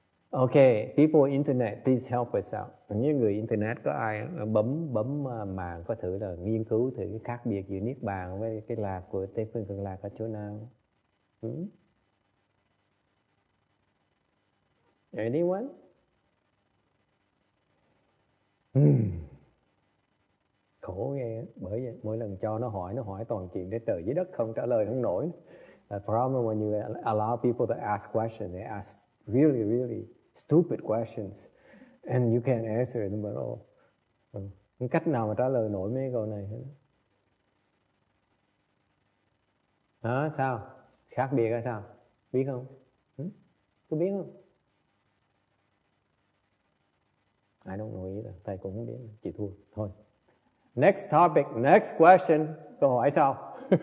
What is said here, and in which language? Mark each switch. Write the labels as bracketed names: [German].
[English] Okay, people internet, please help us out. [Vietnamese] Những người internet có ai bấm mạng có thử là nghiên cứu thử cái khác biệt giữa Niết Bàn với cái lạc của Tây Phương Cực Lạc ở chỗ nào? [English] Anyone? [Vietnamese] Khổ nghe, bởi vậy mỗi lần cho nó hỏi toàn chuyện để trời dưới đất không trả lời không nổi. [English] The problem when you allow people to ask questions, they ask really, really stupid questions, and you can't answer them at all. [Vietnamese] Cách nào mà trả lời nổi mấy câu này? Hả? Sao? Khác biệt hay sao? Biết không? Có biết không? [English] I don't know either. [Vietnamese] Thầy cũng không biết. Chỉ thua. Thôi. [English] Next topic. Next question. [Vietnamese] Câu hỏi sao?